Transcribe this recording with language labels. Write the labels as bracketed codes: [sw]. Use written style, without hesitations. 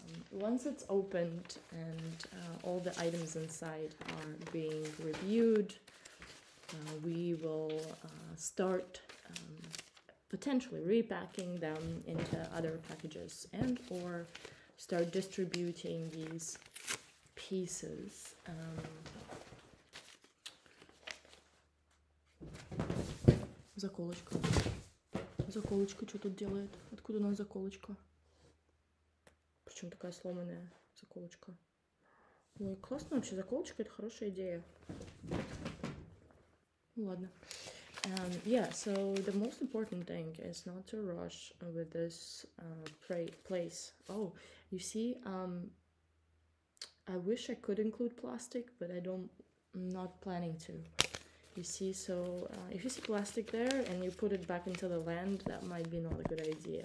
[en] Once it's opened and all the items inside are being reviewed, we will start potentially repacking them into other packages and or start distributing these pieces заколочка. [ru] Заколочка что-то делает. Откуда у нас заколочка? Причем такая сломанная заколочка. Ой, классно вообще, заколочка — это хорошая идея. Ладно. [en] So the most important thing is not to rush with this place. Oh, you see, I wish I could include plastic, but I'm not planning to. You see, so if you see plastic there and you put it back into the land, that might be not a good idea.